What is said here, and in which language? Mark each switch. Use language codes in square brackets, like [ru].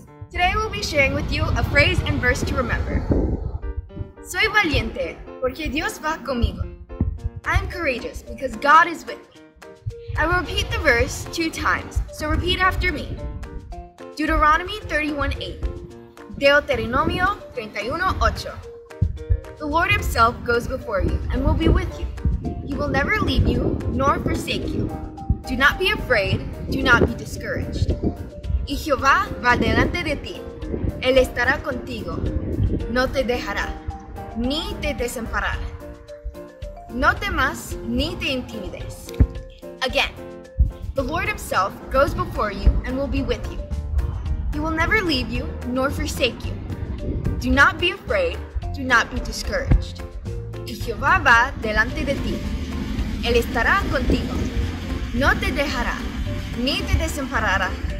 [en] Today we'll be sharing with you a phrase and verse to remember. [es] Soy valiente porque Dios va conmigo. [en] I am courageous because God is with me. I will repeat the verse two times, so repeat after me. Deuteronomy 31:8. Deuteronomio 31:8. The Lord himself goes before you and will be with you. He will never leave you nor forsake you. Do not be afraid, do not be discouraged. [es] Y Jehová va delante de ti. Él estará contigo. No te dejará, ni te desamparará. No temas, ni te intimides. [en] Again, the Lord himself goes before you and will be with you. He will never leave you nor forsake you. Do not be afraid, do not be discouraged. [es] Y Jehová va delante de ti. Él estará contigo. No te dejará, ni te desamparará.